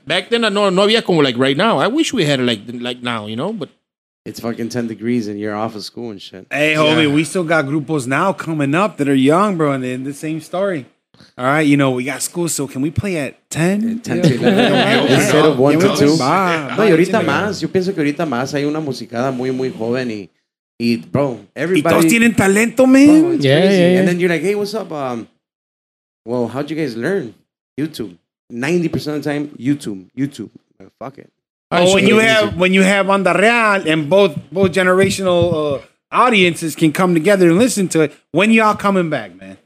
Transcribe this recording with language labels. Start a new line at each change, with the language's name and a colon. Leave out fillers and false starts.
English: Back then, I know
Spanish: no había como
English: like right now. I wish we had it like now, you know, but. It's fucking 10 degrees and you're off of school and shit. Hey, homie, yeah. We still got grupos now coming up that are young, bro, and in the same story. All right, you know, we got school, so can we play at 10? 10 to 11. Instead of 1 to 2.
Spanish: No, y ahorita más. Yo pienso que ahorita más hay una musicada muy, muy joven y
English: bro, everybody.
Spanish: Y todos tienen talento, man.
English: Bro, yeah, crazy. Yeah, yeah. And then you're like, hey, what's up? Well, how'd you guys learn? YouTube. 90% of the time, YouTube. Like, fuck it. Oh, when you have Onda Real and both generational audiences can come together and listen to it, when y'all coming back, man?